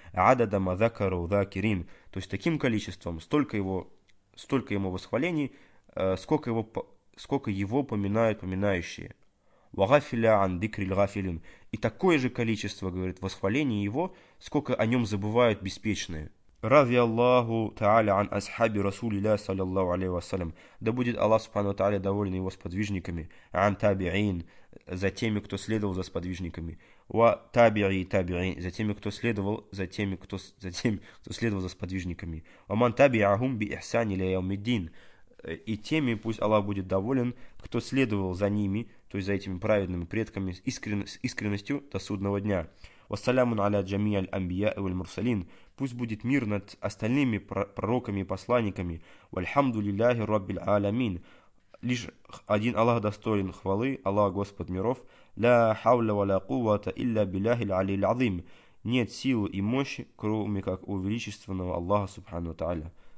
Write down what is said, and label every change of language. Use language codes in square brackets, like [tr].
[ar] Адада ма закару закирин. [ru] То есть таким количеством, столько ему восхвалений, сколько его поминают поминающие. [ar] Ва гафиля ан дикриль гафилин. [ru] И такое же количество, говорит, восхвалений его, сколько о нем забывают беспечные. [ar] رضي الله تعالى عن أصحاب رسول الله صلى الله عليه وسلم. [ru] Да будет Аллах [ar] سبحانه وتعالى [ru] доволен его сподвижниками. [ar] عن تابعين, [ru] за теми, кто следовал за сподвижниками. [ar] وتابعي تابعين, [ru] за теми, кто следовал, за теми, кто следовал за сподвижниками. [ar] ومن تابعهم بإحسان إلى يوم الدين. [ru] И теми пусть Аллах будет доволен, кто следовал за ними, то есть за этими праведными предками с искренностью до судного дня. [ar] والسلام على جميع الأنبياء والمرسلين. [ru] Пусть будет мир над остальными пророками и посланниками. [ar] Вальхамду лилляхи раббиль аламин. [ru] Лишь один Аллах достоин хвалы, Аллах Господь миров. [ar] Ля хавля ва ля кувата илля билляхи л'алиль азим. [ru] Нет силы и мощи, кроме как у величественного Аллаха субхану тааля.